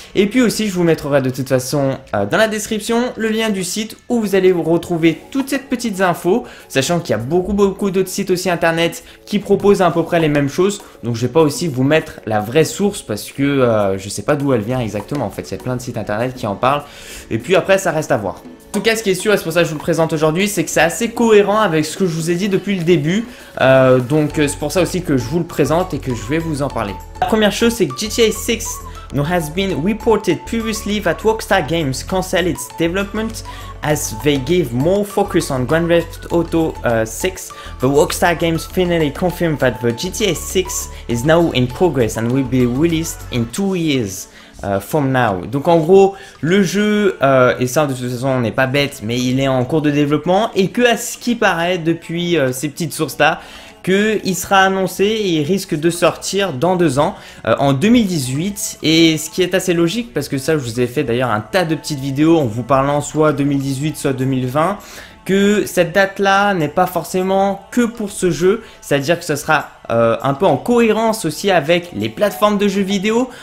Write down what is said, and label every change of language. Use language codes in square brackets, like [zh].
[fr] Et puis aussi, je vous mettrai de toute façon dans la description le lien du site où vous allez vous retrouver toutes ces petites infos, sachant qu'il y a beaucoup d'autres sites aussi internet qui proposent à peu près les mêmes choses, donc je vais pas aussi vous mettre la vraie source parce que je sais pas d'où elle vient exactement en fait, il y a plein de sites internet qui en parlent, et puis après ça reste à voir. En tout cas, ce qui est sûr, et c'est pour ça que je vous le présente aujourd'hui, c'est que c'est assez cohérent avec ce que je vous ai dit depuis le début. Donc c'est pour ça aussi que je vous le présente et que je vais vous en parler. La première chose, c'est que [en] GTA 6 has been reported previously that Rockstar Games cancelled its development as they gave more focus on Grand Theft Auto 6. The Rockstar Games finally confirmed that the GTA 6 is now in progress and will be released in 2 years. From now. [fr] Donc en gros, le jeu, et ça de toute façon on n'est pas bête, mais il est en cours de développement, et que à ce qui paraît depuis ces petites sources là, qu'il sera annoncé et il risque de sortir dans 2 ans, en 2018, et ce qui est assez logique, parce que ça je vous ai fait d'ailleurs un tas de petites vidéos en vous parlant soit 2018 soit 2020, que cette date là n'est pas forcément que pour ce jeu, c'est à dire que ce sera un peu en cohérence aussi avec les plateformes de jeux vidéo.